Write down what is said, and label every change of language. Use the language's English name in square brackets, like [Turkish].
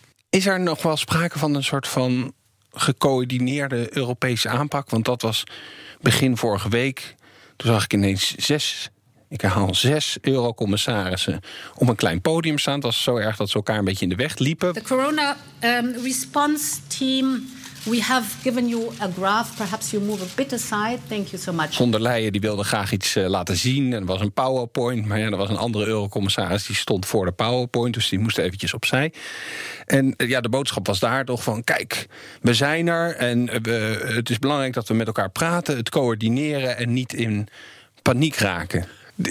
[Dutch] Is er nog wel sprake van een soort van gecoördineerde Europese aanpak? Want dat was begin vorige week. Toen zag ik ineens 6 eurocommissarissen op een klein podium staan. Het was zo erg dat ze elkaar een beetje in de weg liepen. [English] The corona response team, we have given you a graph. Perhaps you move a bit aside. Thank you so much. [Dutch] Von der Leyen die wilde graag iets laten zien. En er was een PowerPoint. Maar ja, er was een andere eurocommissaris die stond voor de PowerPoint. Dus die moest eventjes opzij. En ja, de boodschap was daar toch van, kijk, we zijn er. En het is belangrijk dat we met elkaar praten. Het coördineren en niet in paniek raken. Ja.